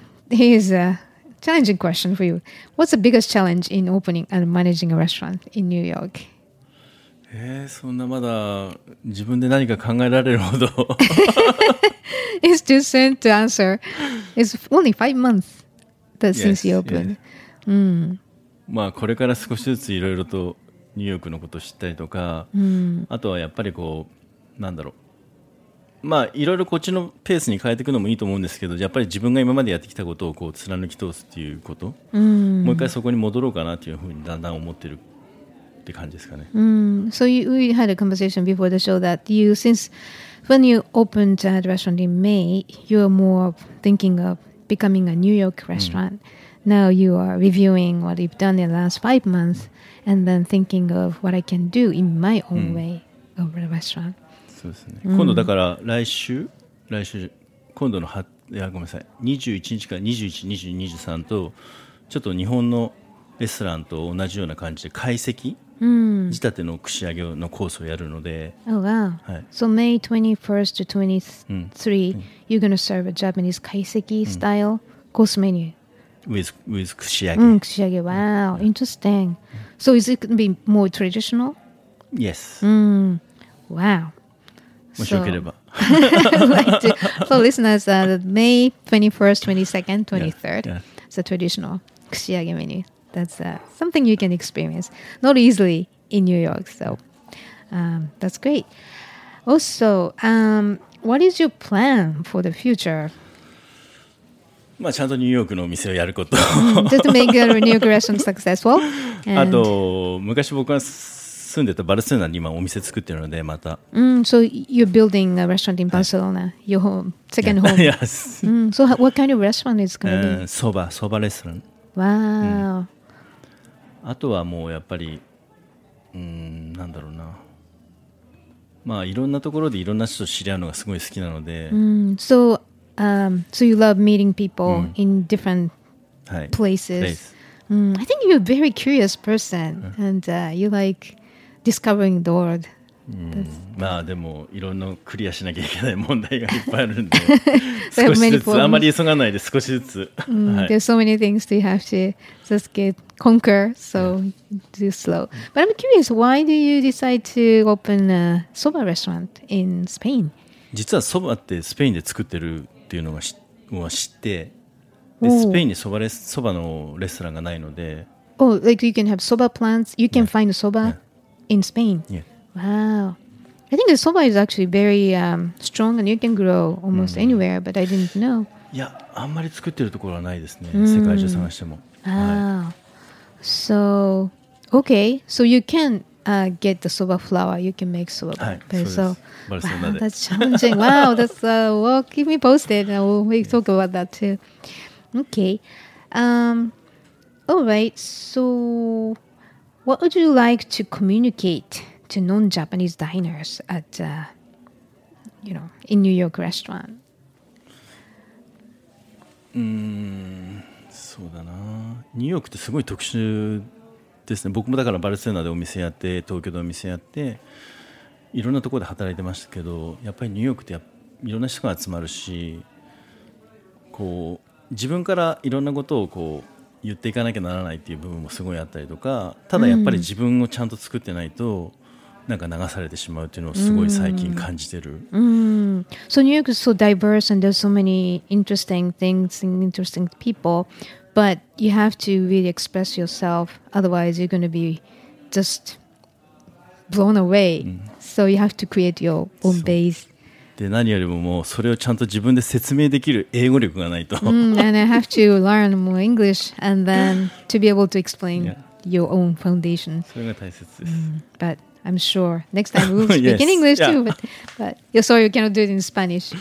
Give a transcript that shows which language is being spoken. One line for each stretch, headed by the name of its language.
English: Here's a challenging question for you. What's the biggest challenge in opening and managing a restaurant in New York?
Japanese: そんなまだ自分で何か考えられるほど。
English: It's too soon to answer. It's only 5 months that since you opened.
Japanese: まあこれから少しずついろいろとニューヨークのことを知ったりとか、 mm. あとはやっぱりこうなんだろう、まあいろいろこっちのペースに変えていくのもいいと思うんですけど、やっぱり自分が今までやってきたことをこう貫き通すっていうこと、 mm. もう一回そこに戻ろうかなというふうにだんだん思ってるって感じですかね。 Mm.
English: So we had a conversation before the show that you since when you opened a restaurant in May, you are more thinking of becoming a New York restaurant.、Mm. Now you are reviewing what you've done in the last 5 months and then thinking of what I can do in my own way of the restaurant.
Japanese: そうですね。今度だから来週、今度の8、いやごめんなさい、21日から21、22、23とちょっと日本のレストランと同じような感じで懐石仕立ての串揚げのコースをやるので。
English: Oh, wow.
Japanese: はい。
English: So May 21st to 23, you're going to serve a Japanese 懐石 style course menu. With 串揚げ。うん、串揚げ。Wow, interesting. So is it going to be more traditional? Yes. Mm. Wow.
Japanese: もしよければ。
English: So listeners, May 21st, 22nd, 23rd. It's a traditional 串揚げ menu. That's something you can experience. Not easily in New York. So that's great. Also, what is your plan for the future?
Japanese: まあ、ちゃんとニューヨークの店をやること、
English: mm, Just to make a New York restaurant successful
Japanese: あと昔僕が住んでたバルセロナに今お店作ってるのでまた、
English: mm, So you're building a restaurant in Barcelona、
Japanese: はい、
English: Your home, second home Yes、 mm, So what kind of restaurant is going to be?
Japanese: そばレストラン Wow、うん、あとはもうやっぱり、うん、なんだろうな、まあ、いろんなところでいろんな人と知り合うのがすごい好きなので、
English: mm, SoSo you love meeting people、mm. in different、
Japanese: はい、
English: places. Place.、Mm. I think you're a very curious person、mm. and you like discovering the world.、 Mm.
Japanese: まあでもいろんなクリアしなきゃいけない問題がいっぱいあるんで少しずつあまり急がないで少しずつ、 mm. はい、
English: There's so many things that you have to just get conquer so、yeah. do slow. But I'm curious, why do you decide to open a soba restaurant in Spain?
Japanese: 実はそばってスペインで作ってるっていうのが知ってで、oh. スペインにそばのレストランがないので、
English: oh, like you can have soba plants, you can find soba in Spain. Yeah. Wow, I think the soba is actually very strong and you can grow almost anywhere, but I didn't know.
Japanese: いや、あんまり作ってるところはないですね。世界中探しても。 Wow.
English: So, okay, so you can get the soba flour, you can make soba.
Japanese: はい、そうです。
English: Wow, that's challenging. Wow, that's well, keep me posted. We'll talk about that too. Okay. All right. So, what would you like to communicate to non-Japanese diners at, you know, in New York restaurant?
Japanese: そうだな。ニューヨークってすごい特殊ですね。僕もだからバルセロナでお店やって、東京でお店やって。いろんなところで働いてましたけど、やっぱりニューヨークってっいろんな人が集まるし、こう自分からいろんなことをこう言っていかなきゃならないっていう部分もすごいあったりとか、ただやっぱり自分をちゃんと作ってないと、なんか流されてしまうっていうのをすごい最近感じてる。
English: So New York is so diverse and there's so many interesting things and interesting people, but you have to really express yourself, otherwise you're going to be just blown away. So you have to create your own base.
Japanese: で何よりももうそれをちゃんと自分で説明できる英語力がないと、
English: And I have to learn more English and then to be able to explain、yeah. your own foundation.
Japanese: それが大切です、
English: But I'm sure next time we'll speak in English too. But you're sorry you cannot do it in Spanish.